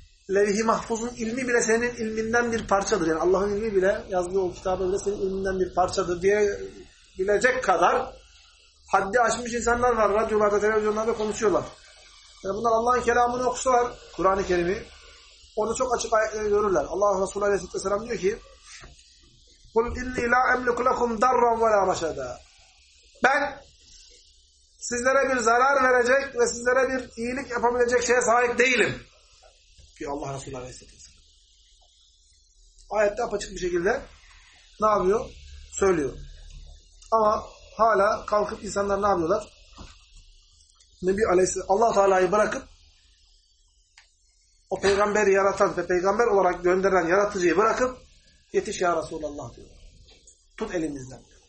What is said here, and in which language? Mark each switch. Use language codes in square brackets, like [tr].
[tr] Levh-i Mahfuz'un ilmi bile senin ilminden bir parçadır. Yani Allah'ın ilmi bile, yazdığı o kitabı bile senin ilminden bir parçadır diye bilecek kadar haddi aşmış insanlar var. Radyolarda, televizyonlarda konuşuyorlar. Yani bunlar Allah'ın kelamını okusalar, Kur'an-ı Kerim'i, orada çok açık ayetleri görürler. Allah Resulü Aleyhisselam diyor ki, [ar] قُلْ اِنِّي لَا اَمْلِكُ لَكُمْ دَرًّا وَلَا رَشَدًا. [tr] Ben sizlere bir zarar verecek ve sizlere bir iyilik yapabilecek şeye sahip değilim. Diyor Allah Resulü Aleyhisselam. Ayette apaçık bir şekilde ne yapıyor? Söylüyor. Ama hala kalkıp insanlar ne yapıyorlar? Nebi Aleyhisselam, Allah-u Teala'yı bırakıp o peygamberi yaratan ve peygamber olarak gönderen yaratıcıyı bırakıp yetiş ya Resulallah diyor. Tut elinizden.